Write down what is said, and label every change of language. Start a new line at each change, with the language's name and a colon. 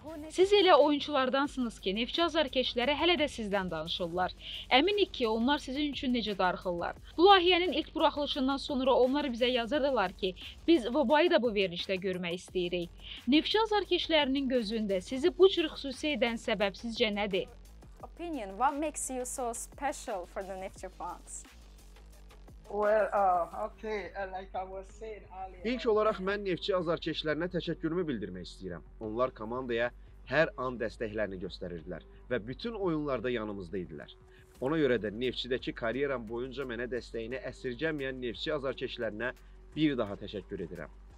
Azerbaijani: Siz elə oyunculardansınız ki, Neftçi Azarkeşlərə hələ də sizdən danışırlar. Əminik ki, onlar sizin üçün necə darıxırlar. Bu layihənin ilk buraxılışından sonra onlar bizə yazırdılar ki, biz Vobayı da bu verilişdə görmək istəyirik. Neftçi Azarkeşlərinin gözündə sizi bu cür xüsusi edən səbəb sizcə nədir?
English: Opinion, what makes you so special for the Neftçi fans?
Azerbaijani: İlk olaraq mən Neftçi Azarkeşlərinə təşəkkürümü bildirmək istəyirəm. Onlar komandaya hər an dəstəklərini göstərirdilər və bütün oyunlarda yanımızda idilər. Ona görə də Neftçidəki kariyeram boyunca mənə dəstəyini əsirgəməyən Neftçi Azarkeşlərinə bir daha təşəkkür edirəm.